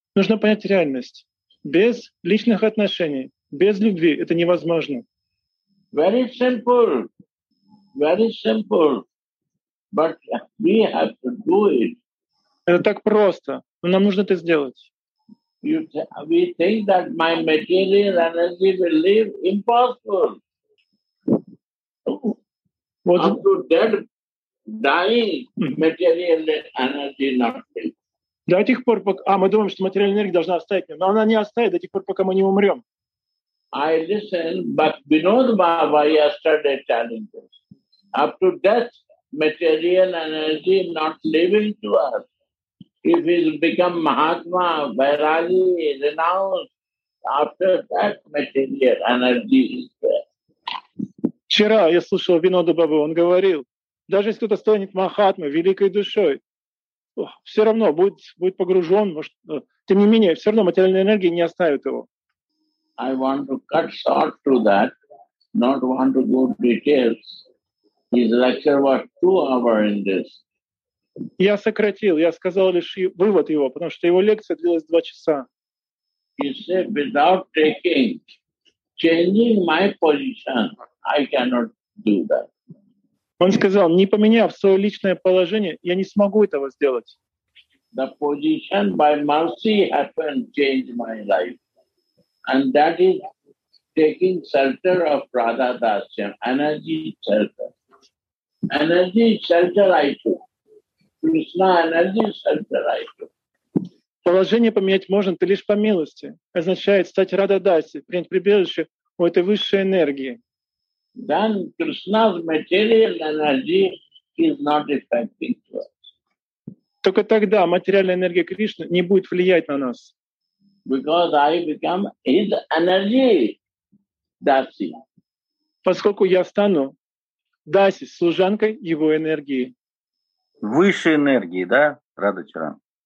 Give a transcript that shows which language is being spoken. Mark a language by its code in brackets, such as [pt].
[ru] Нужно понять реальность. Без личных отношений, без любви это невозможно. [en] Very simple. Very simple. But we have to do it. [ru] Это так просто. Но нам нужно это сделать. [en] We think that my material energy will live impossible. What? Up to dead, dying material energy not live. [ru] До тех пор, пока... А, мы думаем, что материальная энергия должна оставить меня. Но она не оставит до тех пор, пока мы не умрем. [en] I listened, but Vinod Baba yesterday telling this. Up to death, material energy not living to us. If we become Mahatma, Vairagi, renounced, after that, material energy is there. [ru] Вчера я слушал Винода Бабу, он говорил, даже если кто-то станет Махатмой, великой душой, все равно будет погружен, может, тем не менее, все равно материальная энергия не оставит его. [en] I want to cut short to that, not want to go into details. His lecture was 2 hours in this. [ru] Я сократил, я сказал лишь вывод его, потому что его лекция длилась 2 часа. [en] He said, without changing my position, I cannot do that. [ru] Он сказал, не поменяв свое личное положение, я не смогу этого сделать. [en] The position by mercy happened changed my life. And that is taking shelter of Radha Dasya, energy shelter. Energy shelter I took. Krishna energy shelter I took. [ru] Положение поменять можно, ты лишь по милости. Означает стать Радха Дасьей, принять прибежище у этой высшей энергии. [en] Then Krishna's material energy is not affecting to us. [ru] Только тогда материальная энергия Кришны не будет влиять на нас. [en] Because I become his energy, Dasi. [ru] Поскольку я стану Даси, служанкой его энергии. Высшей энергии, да, Радхачаран?